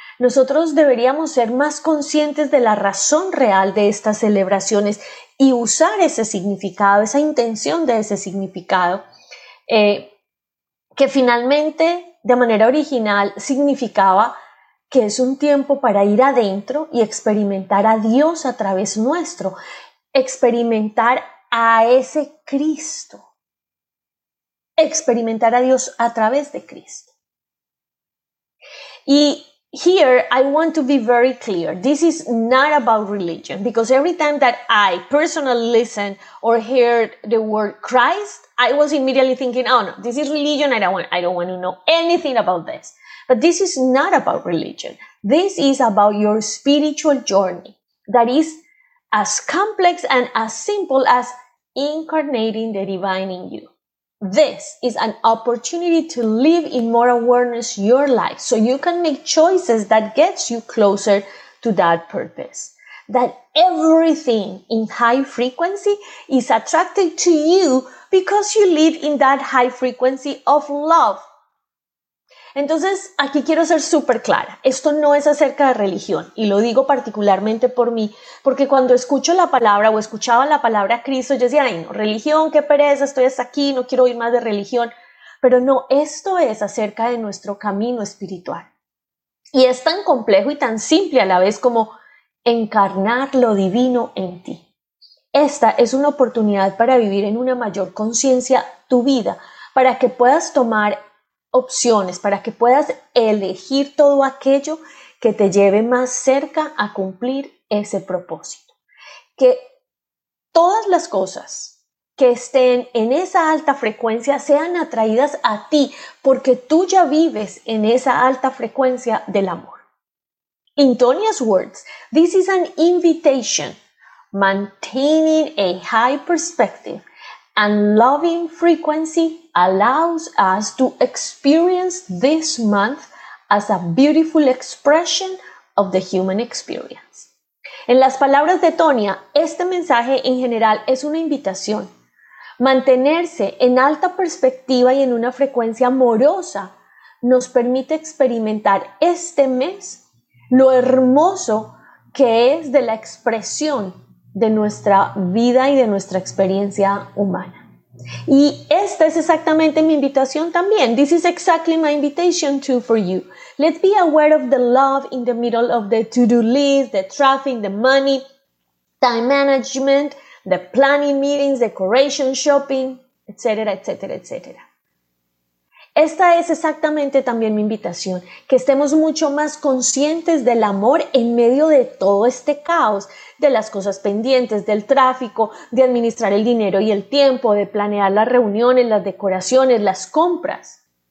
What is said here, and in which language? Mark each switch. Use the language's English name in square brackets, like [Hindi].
[Spanish] Nosotros deberíamos ser más conscientes de la razón real de estas celebraciones y usar ese significado, esa intención de ese significado, que finalmente, de manera original, significaba que es un tiempo para ir adentro y experimentar a Dios a través nuestro, experimentar a ese Cristo, experimentar a Dios a través de Cristo. Y [English] Here, I want to be very clear. This is not about religion, because every time that I personally listened or heard the word Christ, I was immediately thinking, oh no, this is religion. I don't want to know anything about this. But this is not about religion. This is about your spiritual journey that is as complex and as simple as incarnating the divine in you. This is an opportunity to live in more awareness your life so you can make choices that gets you closer to that purpose. That everything in high frequency is attracted to you because you live in that high frequency of love. [Spanish] Entonces, aquí quiero ser súper clara. Esto no es acerca de religión, y lo digo particularmente por mí, porque cuando escucho la palabra o escuchaba la palabra Cristo, yo decía, ay, no, religión, qué pereza, estoy hasta aquí, no quiero oír más de religión. Pero no, esto es acerca de nuestro camino espiritual. Y es tan complejo y tan simple a la vez como encarnar lo divino en ti. Esta es una oportunidad para vivir en una mayor conciencia tu vida, para que puedas tomar opciones, para que puedas elegir todo aquello que te lleve más cerca a cumplir ese propósito. Que todas las cosas que estén en esa alta frecuencia sean atraídas a ti, porque tú ya vives en esa alta frecuencia del amor. [English] In Tonya's words, this is an invitation, maintaining a high perspective and loving frequency allows us to experience this month as a beautiful expression of the human experience. [Spanish] En las palabras de Tonya, este mensaje en general es una invitación. Mantenerse en alta perspectiva y en una frecuencia amorosa nos permite experimentar este mes lo hermoso que es de la expresión de nuestra vida y de nuestra experiencia humana. Y esta es exactamente mi invitación también. [English] This is exactly my invitation too for you. Let's be aware of the love in the middle of the to-do list, the traffic, the money, time management, the planning meetings, decoration, shopping, etc., etc., etc. [Spanish] Esta es exactamente también mi invitación, que estemos mucho más conscientes del amor en medio de todo este caos, de las cosas pendientes, del tráfico, de administrar el dinero y el tiempo, de planear las reuniones, las decoraciones, las compras.